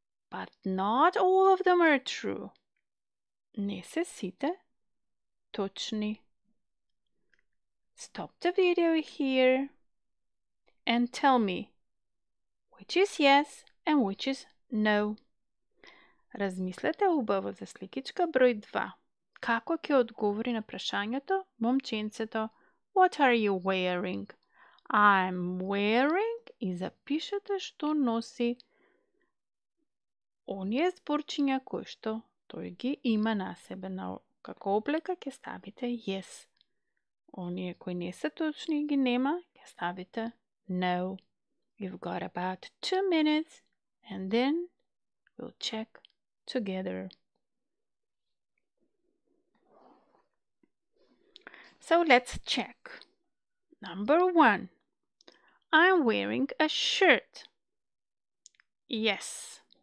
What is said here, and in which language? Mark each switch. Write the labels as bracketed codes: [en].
[en] But not all of them are true. Не се сите точни. Stop the video here and tell me which is yes and which is no. [mk] Размислете убаво за сликичка број 2. Како ќе одговори на прашањето момченцето? [en] What are you wearing? I'm wearing. [mk] И запишете што носи оние зборчиња кои што тој ги има на себе. На како облека ќе ставите yes. Оние кои не се точни ги нема, ќе ставите no. [en] You've got about 2 minutes and then we'll check together. So let's check. Number one, I'm wearing a shirt. Yes.